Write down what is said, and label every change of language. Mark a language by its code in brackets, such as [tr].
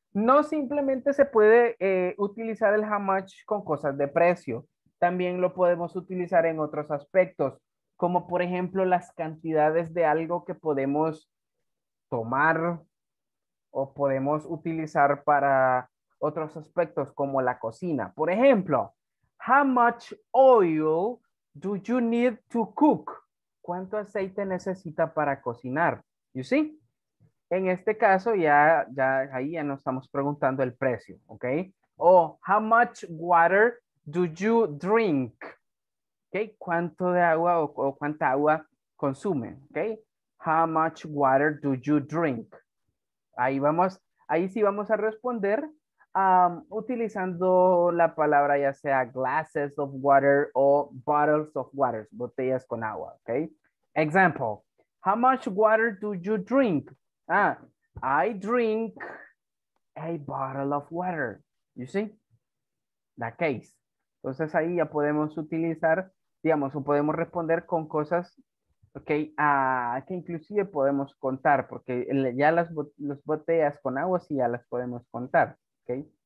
[es] No simplemente se puede utilizar el how much con cosas de precio. También lo podemos utilizar en otros aspectos, como por ejemplo las cantidades de algo que podemos tomar o podemos utilizar para otros aspectos como la cocina. Por ejemplo, [en] how much oil do you need to cook? [es] ¿Cuánto aceite necesita para cocinar? [en] You see? [es] En este caso, ya nos estamos preguntando el precio, okay? [en] O how much water do you drink? Okay? [es] ¿Cuánto de agua o cuánta agua consume? Okay? [en] How much water do you drink? [es] Ahí sí vamos a responder utilizando la palabra ya sea [en] glasses of water [es] o [en] bottles of water, [es] botellas con agua, okay? [en] Example, how much water do you drink? I drink a bottle of water, you see? That case. [es] Entonces ahí ya podemos utilizar, digamos, o podemos responder con cosas, okay, que inclusive podemos contar, porque ya las botellas con agua sí ya las podemos contar, okay?